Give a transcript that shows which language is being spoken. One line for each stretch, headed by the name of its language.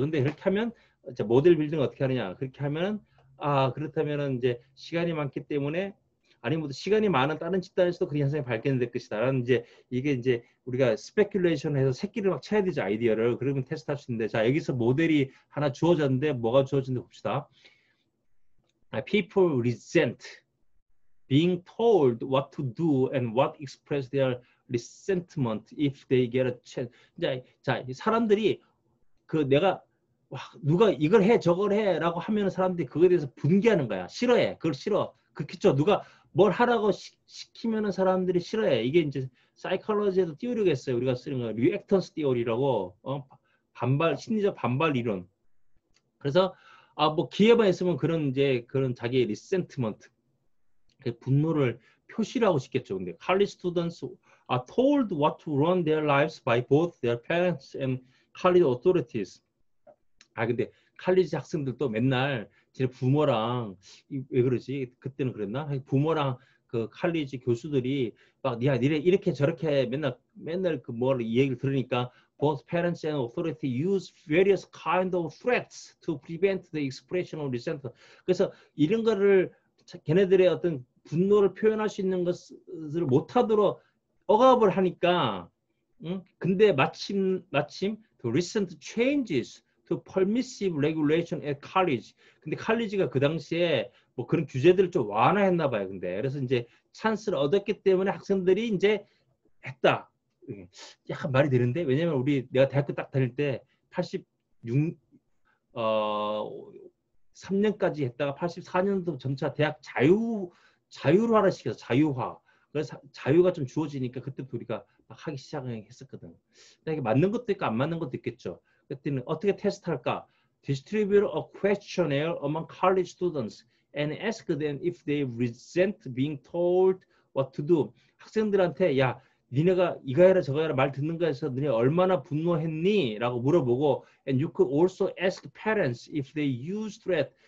Korean: 근데 그렇게 하면 이제 모델 빌딩 어떻게 하느냐. 그렇게 하면은 아 그렇다면은 이제 시간이 많기 때문에 아니면 시간이 많은 다른 집단에서도 그 현상이 발견될 것이다라는 이제 이게 이제 우리가 스페큘레이션을 해서 새끼를 막 쳐야 되죠 아이디어를 그러면 테스트할 수 있는데 자 여기서 모델이 하나 주어졌는데 뭐가 주어진지 봅시다.
English: People resent being told what to do and what express their resentment if they get a chance.
Korean: 자, 사람들이 그 내가 누가 이걸 해 저걸 해라고 하면 사람들이 그거에 대해서 분개하는 거야. 싫어해. 그걸 싫어. 그렇겠죠. 누가 뭘 하라고 시키면은 사람들이 싫어해. 이게 이제 사이콜로지에도 띄우려고 했어요. 우리가 쓰는 거 리액턴스 띄어리라고 반발 심리적 반발 이론. 그래서 아뭐 기회만 있으면 그런 이제 그런 자기의 리센트먼트 그 분노를 표시라고 시켰죠. 근데
English: 칼리지 스튜던스 are told what to run their lives by both their parents and college authorities.
Korean: 아 근데 칼리지 학생들도 맨날 제 부모랑 왜 그러지? 그때는 그랬나? 부모랑 그 칼리지 교수들이 막 니야 니네 이렇게 저렇게 맨날 그 뭐를 이 얘기를 들으니까
English: both parents and authority use various kind of threats to prevent the expression of resentment.
Korean: 그래서 이런 거를 걔네들의 어떤 분노를 표현할 수 있는 것을 못하도록 억압을 하니까 응? 근데 마침
English: the recent changes to permissive regulation at college.
Korean: 근데 칼리지가 그 당시에 뭐 그런 규제들을 좀 완화했나 봐요. 근데 그래서 이제 찬스를 얻었기 때문에 학생들이 이제 했다. 약간 말이 되는데 왜냐면 우리 내가 대학교 딱 다닐 때 86, 3년까지 했다가 84년도 점차 대학 자유화를 시켜서 자유화. 그래서 자유가 좀 주어지니까 그때부터 우리가 막 하기 시작했었거든. 이게 맞는 것도 있고 안 맞는 것도 있겠죠. 그때는 어떻게 테스트할까?
English: Distribute a questionnaire among college students and ask them if they resent being told what to do.
Korean: 학생들한테 야, 니네가 이거 해라 저거 해라 말 듣는 거에서 너네 얼마나 분노했니? 라고 물어보고
English: and you could also ask parents if they use threat.